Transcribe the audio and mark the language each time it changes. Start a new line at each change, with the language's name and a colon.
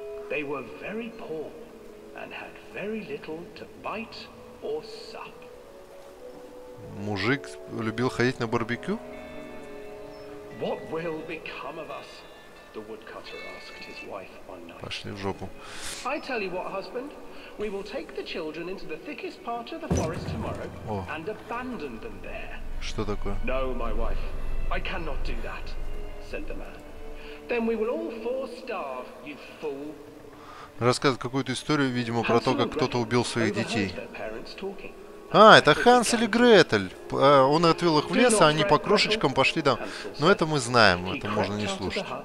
English: They were very poor and had very little to bite or sup.
Russian: Мужик любил ходить на барбекю?
English: What will become of us? The woodcutter asked his wife one night.
Russian: Пошли в жопу.
English: I tell you what, husband, we will take the children into the thickest part of the forest tomorrow and abandon them there.
Russian: Что такое?
English: No, my wife, I cannot do that, said the man. Then we will all four starve, you fool.
Russian: Рассказывает какую-то историю, видимо, про то, как кто-то убил своих детей. А, это Хансель и Гретель. Он отвел их в лес, а они по крошечкам пошли там. Но это мы знаем, это можно не слушать.